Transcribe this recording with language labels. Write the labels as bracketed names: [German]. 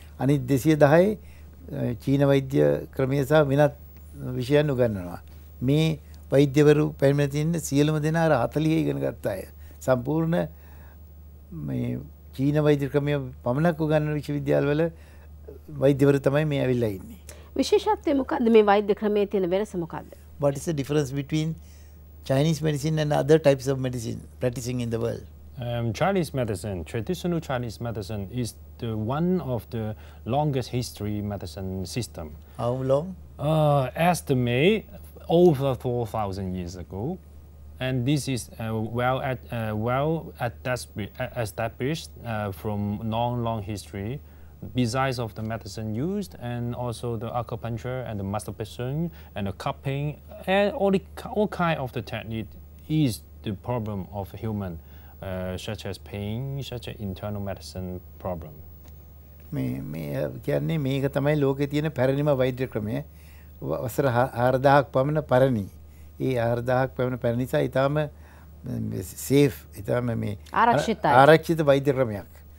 [Sinhala] අනිත් 210 චීන වෛද්‍ය ක්‍රමයේ සහ වෙනත් විෂයන් උගන්වනවා. මේ වෛද්‍යවරු පැමිණ තින්න සියලුම දෙනා අර 40 ඉගෙන ගත්ත අය. සම්පූර්ණ මේ චීන වෛද්‍ය ක්‍රමයේ පමණක් උගන්වන විශ්වවිද්‍යාලවල වෛද්‍යවරු තමයි මේ ඇවිල්ලා ඉන්නේ. විශේෂත්වය මොකද්ද මේ වෛද්‍ය ක්‍රමයේ තියෙන වෙනස මොකද්ද? [English] What is the difference between Chinese medicine and other types of medicine practicing in the world? Chinese medicine, traditional Chinese medicine, is the one of the longest history medicine system. How long? Estimate over 4,000 years ago, and this is well established from long history. Besides of the medicine used, and also the acupuncture and the masturbation and the cupping, and all kind of the technique is the problem of human. Such as pain, such as internal medicine problem. [Sinhala] මේ කියන්නේ මේක තමයි ලෝකේ තියෙන පැරණිම වෛද්‍ය ක්‍රමය. වසර 4000ක් පමණ පැරණි. ඒ 4000ක් පමණ පැරණි නිසා ඊටාම සේෆ් ඊටාම මේ ආරක්ෂිත වෛද්‍ය ක්‍රමයක්.